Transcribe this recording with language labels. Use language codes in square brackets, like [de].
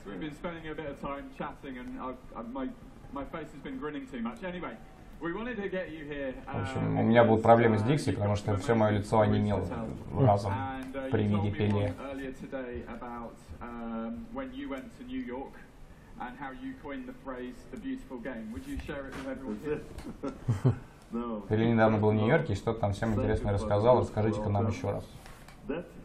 [en] We've been spending a bit of time chatting and my face has been grinning too much. Anyway, we wanted to get you here. [ru] В общем, у меня будут проблемы с дикцией, потому что все мое лицо онемело разом при виде Пеле. [en] Earlier today about when you went to New York and how you coined the phrase the beautiful game. Would you share it with everyone here? [ru] Пеле недавно был в Нью-Йорке, и что-то там всем интересное рассказал. Расскажите-ка нам еще раз.